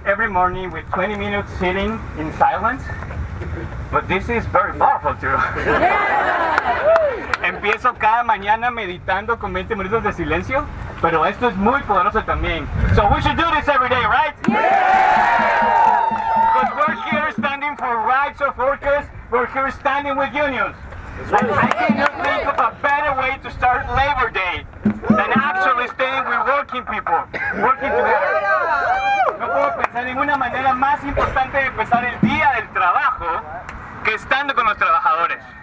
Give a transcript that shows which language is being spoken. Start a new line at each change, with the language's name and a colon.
English: Morning with 20 minutes sitting in silence, but this is very powerful too.
Spanish: Empiezo cada mañana meditando con 20 minutos de silencio, pero esto es muy poderoso también.
English: So we should do this every day, right? Yeah! Because we're here standing for rights of workers, we're here standing with unions. I cannot think of a better way to start Labor Day than actually staying with working people, working together.
Spanish: Ninguna manera más importante de empezar el día del trabajo que estando con los trabajadores.